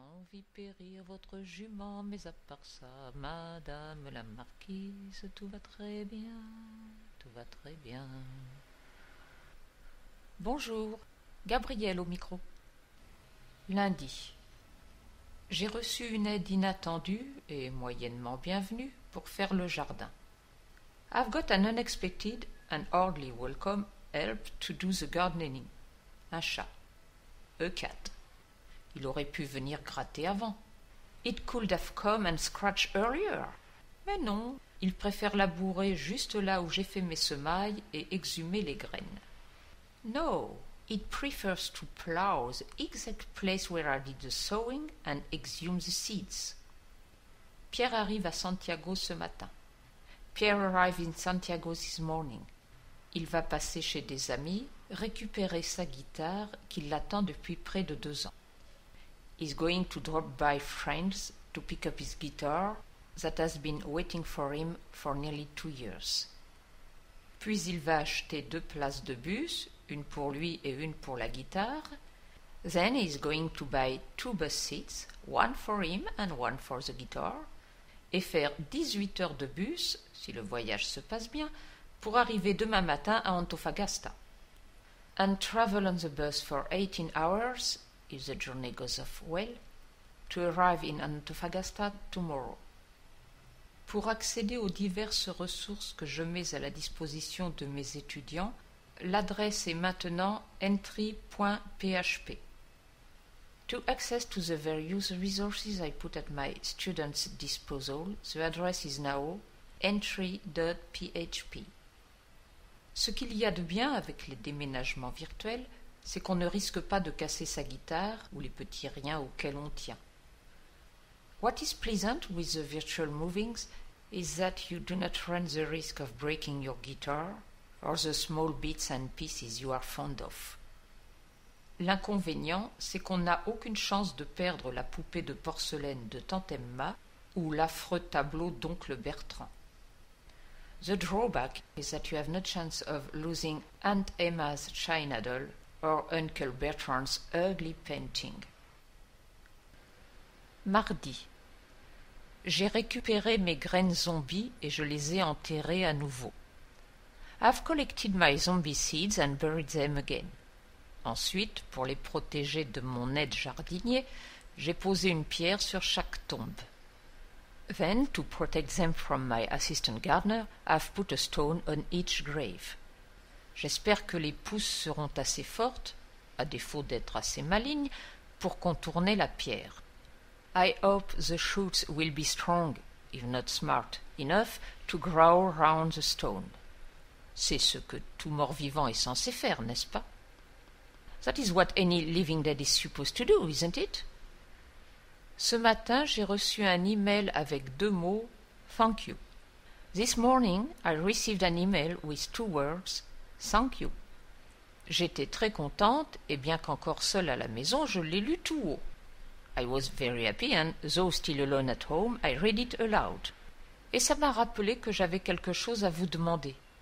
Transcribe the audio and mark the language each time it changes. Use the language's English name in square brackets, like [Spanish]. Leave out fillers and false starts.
[French] fit périr votre jument, mais à part ça, madame la marquise, tout va très bien, tout va très bien. Bonjour, Gabrielle au micro. Lundi. J'ai reçu une aide inattendue et moyennement bienvenue pour faire le jardin. [English] I've got an unexpected and hardly welcome help to do the gardening. [French] Un chat. [English] A cat. [French] Il aurait pu venir gratter avant. [English] It could have come and scratched earlier. [French] Mais non, il préfère labourer juste là où j'ai fait mes semailles et exhumer les graines. [English] No, it prefers to plow the exact place where I did the sowing and exhume the seeds. [French] Pierre arrive à Santiago ce matin. [English] Pierre arrive in Santiago this morning. [French] Il va passer chez des amis, récupérer sa guitare qui l'attend depuis près de 2 ans. [English] He's going to drop by friends to pick up his guitar that has been waiting for him for nearly 2 years. [French] Puis il va acheter 2 places de bus, une pour lui et une pour la guitare. [English] Then he's going to buy 2 bus seats, one for him and one for the guitar, [French] et faire 18 heures de bus, si le voyage se passe bien, pour arriver demain matin à Antofagasta. [English] And travel on the bus for 18 hours, if the journey goes off well, to arrive in Antofagasta tomorrow. [French] Pour accéder aux diverses ressources que je mets à la disposition de mes étudiants, l'adresse est maintenant entry.php. [English] To access to the various resources I put at my students' disposal, the address is now entry.php. [French] Ce qu'il y a de bien avec les déménagements virtuels, c'est qu'on ne risque pas de casser sa guitare ou les petits riens auxquels on tient. [English] What is pleasant with the virtual movings is that you do not run the risk of breaking your guitar or the small bits and pieces you are fond of. [French] L'inconvénient, c'est qu'on n'a aucune chance de perdre la poupée de porcelaine de Tante Emma ou l'affreux tableau d'oncle Bertrand. [English] The drawback is that you have no chance of losing Aunt Emma's china doll or Uncle Bertrand's ugly painting. [French] Mardi. J'ai récupéré mes graines zombies et je les ai enterrées à nouveau. [English] I've collected my zombie seeds and buried them again. [French] Ensuite, pour les protéger de mon aide-jardinier, j'ai posé une pierre sur chaque tombe. [English] Then, to protect them from my assistant gardener, I've put a stone on each grave. [French] J'espère que les pousses seront assez fortes, à défaut d'être assez malignes, pour contourner la pierre. [English] I hope the shoots will be strong, if not smart enough, to grow round the stone. [French] C'est ce que tout mort-vivant est censé faire, n'est-ce pas? [English] That is what any living dead is supposed to do, isn't it? [French] Ce matin, j'ai reçu un email avec 2 mots [English] « thank you ». This morning, I received an email with 2 words « thank you ». [French] J'étais très contente et bien qu'encore seule à la maison, je l'ai lu tout haut. [English] I was very happy and, though still alone at home, I read it aloud. [French] Et ça m'a rappelé que j'avais quelque chose à vous demander.